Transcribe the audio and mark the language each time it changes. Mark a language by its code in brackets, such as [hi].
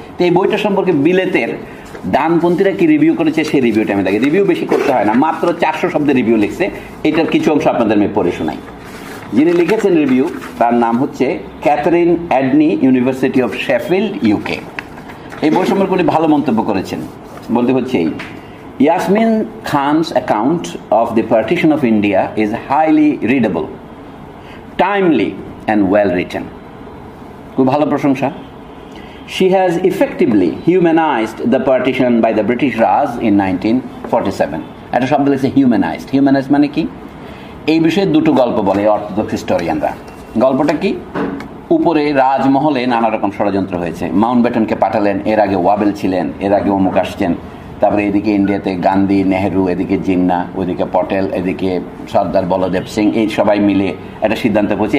[bn] তো এই বইটা সম্পর্কে বিলেতের ডানপন্থীরা কী রিভিউ করেছে সেই রিভিউটা আমি দেখি। রিভিউ বেশি করতে হয় না, মাত্র 400 শব্দে রিভিউ লিখছে, এটার কিছু অংশ আপনাদের আমি পড়ে শোনাই। যিনি লিখেছেন রিভিউ তার নাম হচ্ছে Catherine অ্যাডনি, university of Sheffield, UK। এই বই সম্পর্কে উনি ভালো মন্তব্য করেছেন, বলতে হচ্ছে এই, [en] Yasmin Khan's account of the partition of India is highly readable, timely and well written. [bn] খুব ভালো প্রশংসা. [en] She has effectively humanized the partition by the British Raj in 1947. [bn] এটা শব্দ লিখছে humanized. Humanized মানে কি? এই বিষয়ে দুটো গল্প বলে অর্থোডক্স হিস্টোরিয়ানরা. গল্পটা কি? উপরে রাজমহলে নানা রকম ষড়যন্ত্র হয়েছে. মাউন্ট ব্যাটনকে পাঠালেন, এর আগে ওয়াবেল ছিলেন, এর আগে অমুক আসছেন. তারপরে এদিকে ইন্ডিয়াতে গান্ধী, নেহরু, এদিকে জিন্না, ওদিকে পটেল, এদিকে সর্দার বলদেব সিং, এই সবাই মিলে একটা সিদ্ধান্ত পৌঁছে.